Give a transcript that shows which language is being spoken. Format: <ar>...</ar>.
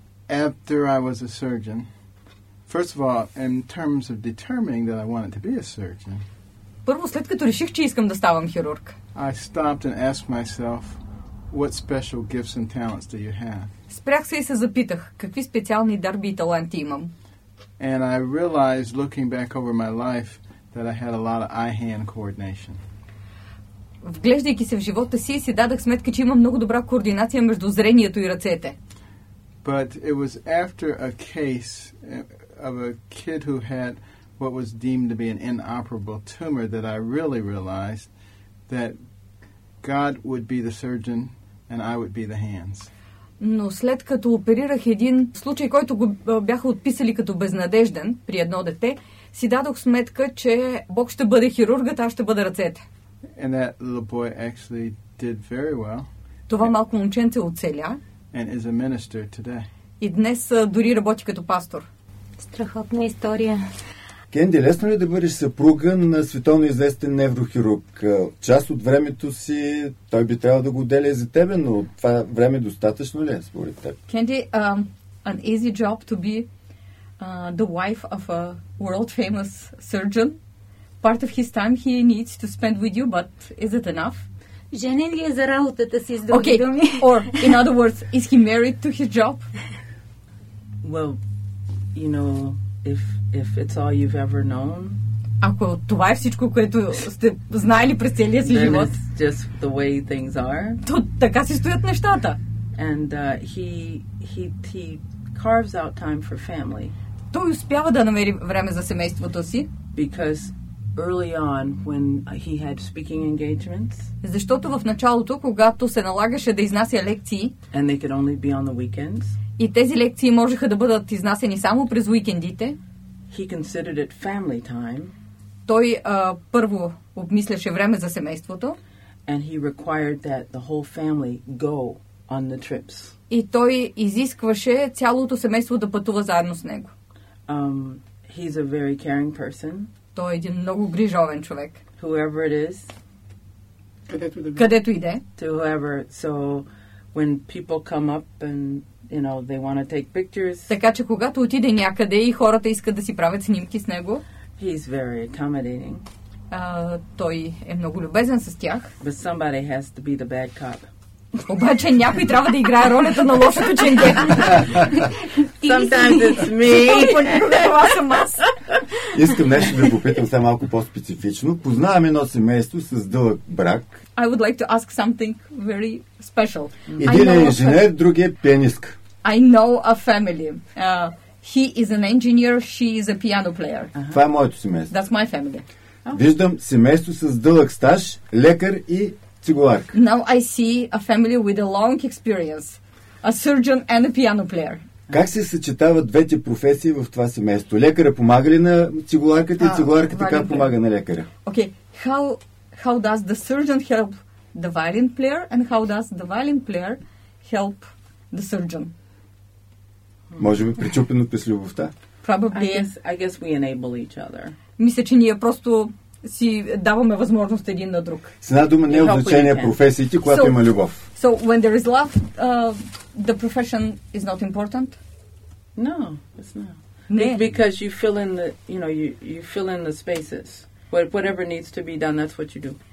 <en>After I was a surgeon, first of all, in terms of determining that I wanted to be a surgeon,</en> <bg>първо, след като реших, че искам да ставам хирург,</bg> <en>I stopped and asked myself, what special gifts and talents do you have?</en> <bg>Спрях се и се запитах, какви специални дарби и таланти имам.</bg> <en>And I realized, looking back over my life, that I had a lot of eye-hand coordination.</en> <bg>Вглеждайки се в живота си, си дадах сметка, че имам много добра координация между зрението и ръцете.</bg> <en>But it was after a case of a kid who had what was deemed to be an inoperable tumor that I really realized that God would be the surgeon and I would be the hands.</en> <bg>Но след като оперирах един случай, който го бяха отписали като безнадежден при едно дете, си дадох сметка, че Бог ще бъде хирургът, аз ще бъда ръцете.</bg> <en>And that little boy actually did very well.</en> <bg>Това малко момченце оцеля.</bg> <en>And is a minister today.</en> <bg>И днес дори работи като пастор. Страхотна история. Кенди, лесно ли да бъдеш съпруга на световно известен неврохирург? Част от времето си той би трябвало да го отделя за тебе, но това време достатъчно ли е според теб?</bg> <en>Кенди, an easy job to be the wife of a world famous surgeon. Part of his time he needs to spend with you, but is it enough?</en> <bg>Женен ли е за работата си, с други думи?</bg> <en>Or, in other words, is he married to his job? Well, you know, if it's all you've ever known.</en> <bg>Ако това е всичко, което сте знаели през целия си живот.</bg> <en>It's just the way things are.</en> <bg>То така си стоят нещата.</bg> <en>And he carves out time for family.</en> <bg>Той успява да намери време за семейството си.</bg> <en>Because early on when he had speaking engagements.</en> <bg>Защото в началото, когато се налагаше да изнася лекции.</bg> <en>And they could only be on the weekends.</en> <bg>И тези лекции можеха да бъдат изнасени само през уикендите.</bg> <en>He considered it family time.</en> <bg>Той първо обмисляше време за семейството.</bg> <en>And he required that the whole family go on the trips.</en> <bg>И той изискваше цялото семейство да пътува заедно с него.</bg> <en>He's a very caring person.</en> <bg>Той е един много грижовен човек.</bg> <en>Whoever it is.</en> <bg>Където иде.</bg> <en>To whoever. So when people come up and you know, they want to take pictures.</en> <bg>Така че когато отиде някъде и хората искат да си правят снимки с него.</bg> <en>He's very accommodating.</en> <bg>Той е много любезен с тях.</bg> <en>But somebody has to be the bad cop.</en> <bg>Обаче някой трябва да играе ролята на лошото ченге.</bg> <en>Sometimes it's me.</en> <bg>Понякога това съм аз. Искам нещо да попитам сега малко по-специфично. Познаваме едно семейство с дълъг брак.</bg> <en>I would like to ask something very special.</en> <bg>Един е инженер, другия е пианистка.</bg> <en>I know a family. He is an engineer, she is a piano player.</en> <bg>Това е моето семейство.</bg> <en>That's my family.</en> <bg>Виждам семейство с дълъг стаж, лекар и цигуларка.</bg> <en>Now I see a family with a long experience. A surgeon and a piano player.</en> <bg>Как се съчетават двете професии в това семейство? Лекарът помага ли на цигуларката и цигуларката как помага на лекаря?</bg> <en>Okay, how does the surgeon help the violin player and how does the violin player help the surgeon?</en> <bg>Може би причупено през любовта?</bg> <en>Probably. I guess we enable each other.</en> <bg>Мисля, че ние просто си даваме възможност един на друг. С една дума не е значение професиите, която има любов.</bg> <en>So when there is love, the profession is not important? No, it's not.</en> <bg>Не.</bg> <en>Because you fill in the, you know, you fill in the spaces. Whatever needs to be done, that's what you do.</en>